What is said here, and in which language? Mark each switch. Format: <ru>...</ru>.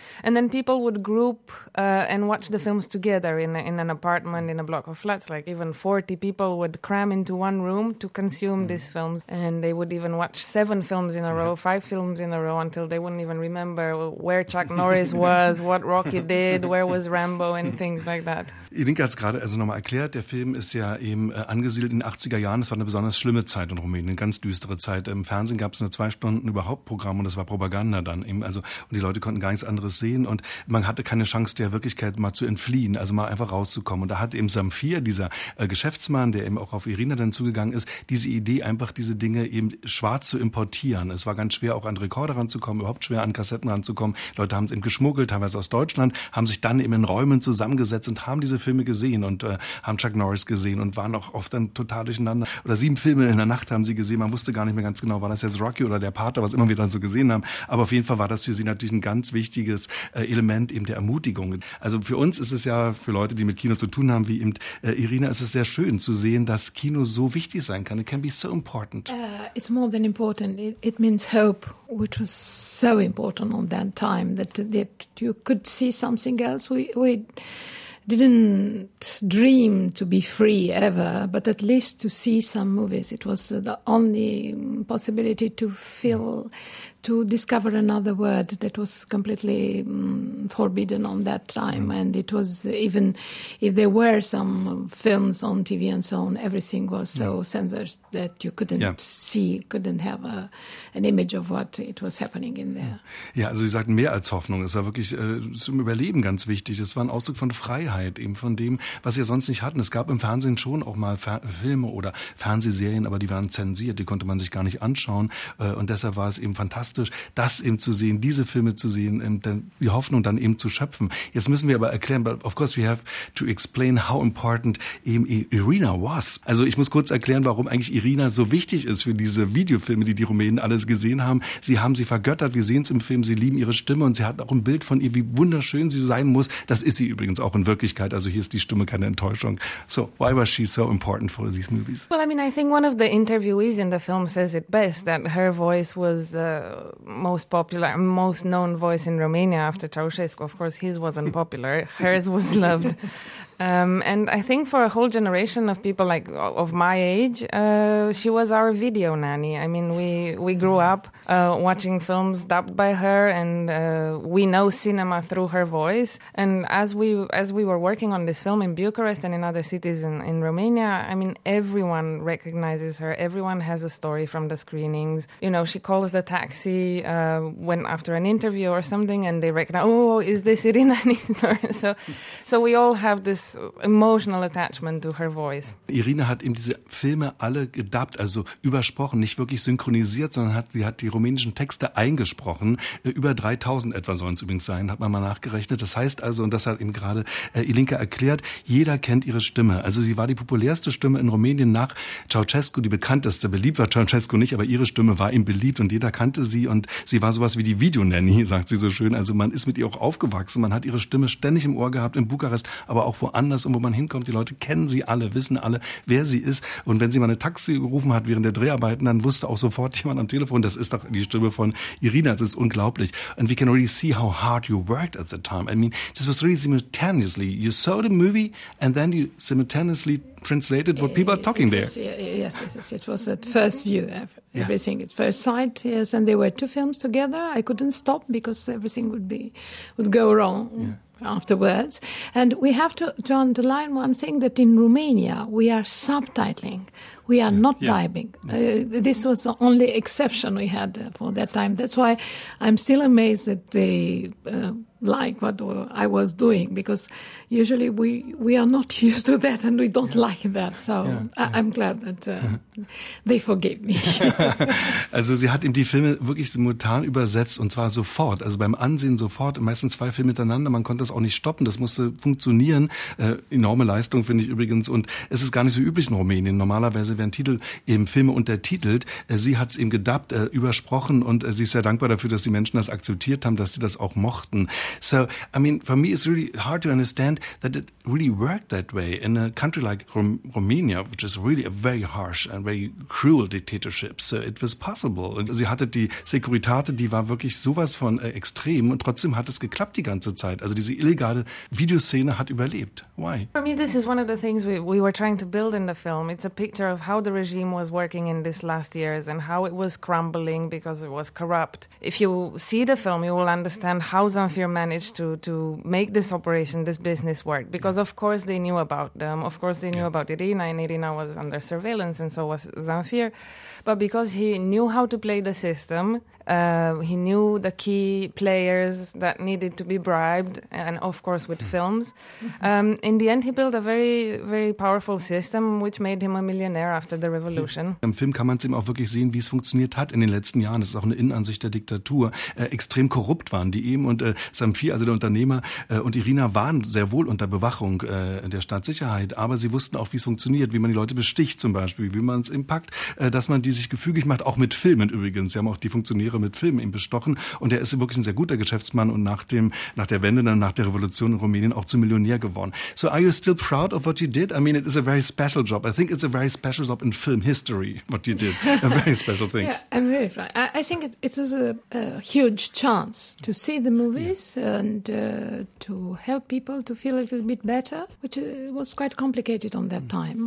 <en>And then people would group and watch the films together in an apartment, in a block of flats. Like even 40 people would cram into one room to consume these films. And they would even watch 7 films in a row, 5 films in a row, until they wouldn't even remember where Chuck Norris was, what Rocky did, where was Rambo and things like that.</en> <de>Irinka hat es gerade also nochmal erklärt, der Film ist ja eben angesiedelt in den 80er Jahren. Es war eine besonders schlimme Zeit in Rumänien, eine ganz düstere Zeit. Im Fernsehen gab es nur 2 Stunden überhaupt Programm und das war Propaganda dann eben. Also, und die Leute konnten gar nichts anderes sehen und man hatte keine Chance der Wirklichkeit mal zu entfliehen, also mal einfach rauszukommen. Und da hat eben Zamfir, dieser Geschäftsmann, der eben auch auf Irina dann zugegangen ist, diese Idee, einfach diese Dinge eben schwarz zu importieren. Es war ganz schwer, auch an Rekorder ranzukommen, überhaupt schwer, an Kassetten ranzukommen. Die Leute haben es eben geschmuggelt, teilweise aus Deutschland, haben sich dann eben in Räumen zusammengesetzt und haben diese Filme gesehen und haben Chuck Norris gesehen und waren auch oft dann total durcheinander. Oder 7 Filme in der Nacht haben sie gesehen. Man wusste gar nicht mehr ganz genau, war das jetzt Rocky oder der Pater, was immer wir dann so gesehen haben. Aber auf jeden Fall war das für sie natürlich ein ganz wichtiges Element eben der Ermutigung. Also für uns ist es ja, für Leute, die mit Kino zu tun haben, wie eben Irina, ist es sehr schön zu sehen, dass Kino so wichtig sein kann.</de> <en>It can be so important. It's more than important. It means hope, which was so important on that time, that you could see something else. We didn't dream to be free ever, but at least to see some movies. It was the only possibility to feel, to discover another world that was completely forbidden on that time. And it was, even if there were some films on TV and so on, everything was so censored that you couldn't see, couldn't have an image of what it was happening in there.</en> <de>Ja, also Sie sagten mehr als Hoffnung. Es war wirklich zum Überleben ganz wichtig. Es war ein Ausdruck von Freiheit, eben von dem, was Sie ja sonst nicht hatten. Es gab im Fernsehen schon auch mal Filme oder Fernsehserien, aber die waren zensiert, die konnte man sich gar nicht anschauen. Und deshalb war es eben fantastisch, das eben zu sehen, diese Filme zu sehen, die Hoffnung dann eben zu schöpfen. Jetzt müssen wir aber erklären,</de> <en>but of course we have to explain how important Irina was.</en> <de>Also ich muss kurz erklären, warum eigentlich Irina so wichtig ist für diese Videofilme, die die Rumänen alles gesehen haben. Sie haben sie vergöttert, wir sehen es im Film, sie lieben ihre Stimme und sie hatten auch ein Bild von ihr, wie wunderschön sie sein muss. Das ist sie übrigens auch in Wirklichkeit, also hier ist die Stimme keine Enttäuschung.</de> <en>So, why was she so important for these movies? Well, I mean, I think one of the interviewees in the film says it best, that her voice was most popular, most known voice in Romania after Ceausescu. Of course, his wasn't popular. Hers was loved. And I think for a whole generation of people like of my age, she was our video nanny. I mean, we grew up watching films dubbed by her, and we know cinema through her voice. And as we were working on this film in Bucharest and in other cities in Romania, I mean, everyone recognizes her. Everyone has a story from the screenings. You know, she calls the taxi when after an interview or something, and they recognize, oh, is this Irina Nistor? So we all have this emotional attachment to her voice.</en> <de>Irina hat eben diese Filme alle gedubbt, also übersprochen, nicht wirklich synchronisiert, sondern sie hat die rumänischen Texte eingesprochen. Über 3000 etwa sollen es übrigens sein, hat man mal nachgerechnet. Das heißt also, und das hat eben gerade Ilinka erklärt, jeder kennt ihre Stimme. Also sie war die populärste Stimme in Rumänien nach Ceausescu, die bekannteste. Beliebt war Ceausescu nicht, aber ihre Stimme war ihm beliebt und jeder kannte sie und sie war sowas wie die Videonanny, sagt sie so schön. Also man ist mit ihr auch aufgewachsen, man hat ihre Stimme ständig im Ohr gehabt in Bukarest, aber auch vor anders und wo man hinkommt. Die Leute kennen sie alle, wissen alle, wer sie ist. Und wenn sie mal eine Taxi gerufen hat während der Dreharbeiten, dann wusste auch sofort jemand am Telefon, das ist doch die Stimme von Irina. Das ist unglaublich.</de> <en>And we can really see how hard you worked at the time. I mean, this was really simultaneously. You saw the movie and then you simultaneously translated what people are talking there. Yes. It was at first view, everything. Yeah. At first sight, yes. And there were two films together. I couldn't stop because everything would go wrong. Yeah. Afterwards, and we have to underline one thing, that in Romania we are subtitling, we are not dubbing. This was the only exception we had for that time. That's why I'm still amazed that they like what I was doing, because usually we are not used to that and we don't like that. So I'm glad that they forgave me.</en> <de>Also sie hat ihm die Filme wirklich simultan übersetzt, und zwar sofort, also beim Ansehen sofort, meistens zwei Filme miteinander. Man konnte das auch nicht stoppen, das musste funktionieren. Enorme Leistung, finde ich übrigens. Und es ist gar nicht so üblich in Rumänien. Normalerweise werden Titel eben Filme untertitelt. Sie hat es eben gedubbt, übersprochen, und sie ist sehr dankbar dafür, dass die Menschen das akzeptiert haben, dass sie das auch mochten.</de> <en>So, I mean, for me, it's really hard to understand that it really worked that way in a country like Romania, which is really a very harsh and very cruel dictatorship. So it was possible.</en> <de>Und sie hatte die Securitate, die war wirklich sowas von extrem, und trotzdem hat es geklappt die ganze Zeit. Also diese illegale Videoszene hat überlebt.</de> <en>Why? For me, this is one of the things we were trying to build in the film. It's a picture of how the regime was working in these last years and how it was crumbling because it was corrupt. If you see the film, you will understand how Zamfir managed to make this operation, this business work. Because of course they knew about them. Of course they knew about Irina, and Irina was under surveillance and so was Zamfir. But because he knew how to play the system, he knew the key players that needed to be bribed, and of course with films. In the end, he built a very, very powerful system, which made him a millionaire after the revolution.</en> <de>Im Film kann man es ihm auch wirklich sehen, wie es funktioniert hat in den letzten Jahren. Das ist auch eine Innenansicht der Diktatur. Extrem korrupt waren die eben, und Zamfir, also der Unternehmer, und Irina waren sehr wohl unter Bewachung der Staatssicherheit, aber sie wussten auch, wie es funktioniert, wie man die Leute besticht zum Beispiel, wie man es eben packt, dass man die sich gefügig macht, auch mit Filmen übrigens. Sie haben auch die Funktionäre mit Filmen eben bestochen, und er ist wirklich ein sehr guter Geschäftsmann und nach der Wende, dann nach der Revolution in Rumänien auch zum Millionär geworden.</de> <en>So are you still proud of what you did? I mean, it is a very special job. I think it's a very special job in film history, what you did. A very special thing. Yeah, I'm very proud. I think it was a huge chance to see the movies and to help people to feel a little bit better, which was quite complicated on that time.</en>